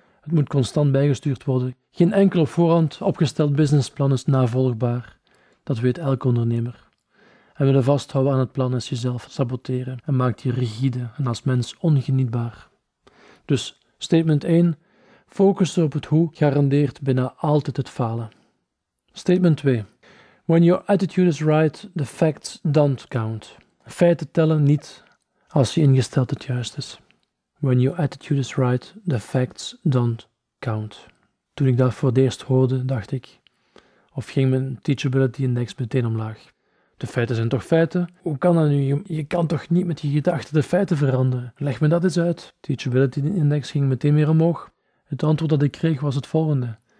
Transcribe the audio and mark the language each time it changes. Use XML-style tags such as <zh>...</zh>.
<nl>Het moet constant bijgestuurd worden. Geen enkel op voorhand opgesteld businessplan is navolgbaar. Dat weet elke ondernemer. En willen vasthouden aan het plan is jezelf saboteren en maakt je rigide en als mens ongenietbaar. Dus, statement 1, focussen op het hoe garandeert bijna altijd het falen.</nl> <en>Statement 2, when your attitude is right, the facts don't count.</en> <nl>Feiten tellen niet als je ingesteld het juist is.</nl> <en>When your attitude is right, the facts don't count.</en> <nl>Toen ik dat voor het eerst hoorde, dacht ik, of ging mijn teachability index meteen omlaag. De feiten zijn toch feiten? Hoe kan dat nu? Je kan toch niet met je gedachten de feiten veranderen? Leg me dat eens uit. Teachability index ging meteen weer omhoog. Het antwoord dat ik kreeg was het volgende.</nl>